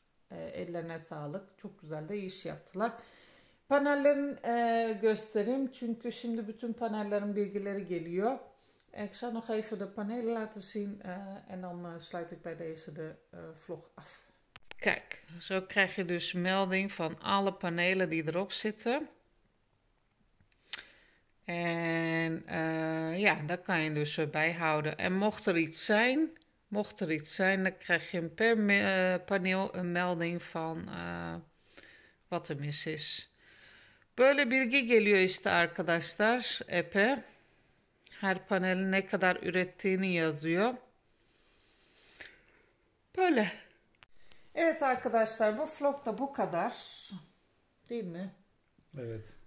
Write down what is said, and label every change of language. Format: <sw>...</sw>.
<tr>Ellerine sağlık. Çok güzel de iş yaptılar. Panellerini göstereyim. Çünkü şimdi bütün panellerin bilgileri geliyor.</tr> <nl>Ik zal nog even de panelen laten zien en dan sluit ik bij deze de vlog af. Kijk, zo krijg je dus melding van alle panelen die erop zitten. En dat kan je dus bijhouden. En mocht er iets zijn, dan krijg je per paneel een melding van wat er mis is.</nl> <tr>Böyle bilgi geliyor işte arkadaşlar, app'e. Her panelin ne kadar ürettiğini yazıyor. Böyle. Evet arkadaşlar, bu vlog da bu kadar. Değil mi? Evet.</tr>